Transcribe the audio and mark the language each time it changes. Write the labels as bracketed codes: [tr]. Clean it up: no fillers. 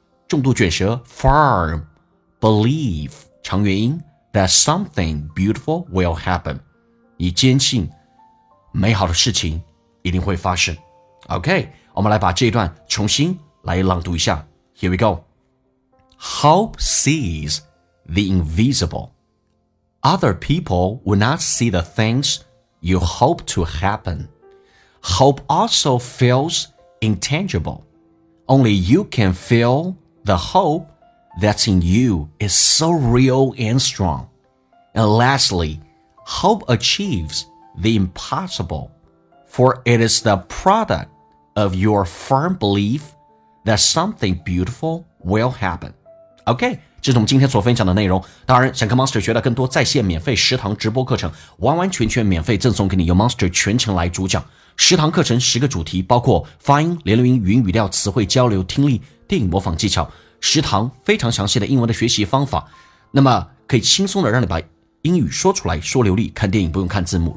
[zh] 重度卷舌， [en] firm belief， [zh] 长元音， [en] that something beautiful will happen， [zh] 你坚信美好的事情一定会发生。 OK， 我们来把这一段重新来朗读一下。 [en] Here we go. Hope sees the invisibleOther people will not see the things you hope to happen. Hope also feels intangible. Only you can feel the hope that's in you is so real and strong. And lastly, hope achieves the impossible. For it is the product of your firm belief that something beautiful will happen. Okay. [zh] 这是我们今天所分享的内容。当然想跟 Monster 学到更多在线免费食堂直播课程，完完全全免费赠送给你，由 Monster 全程来主讲。十堂课程十个主题，包括发音、连读音、语音语调、词汇交流、听力、电影模仿技巧，十堂非常详细的英文的学习方法，那么可以轻松的让你把英语说出来，说流利，看电影不用看字幕。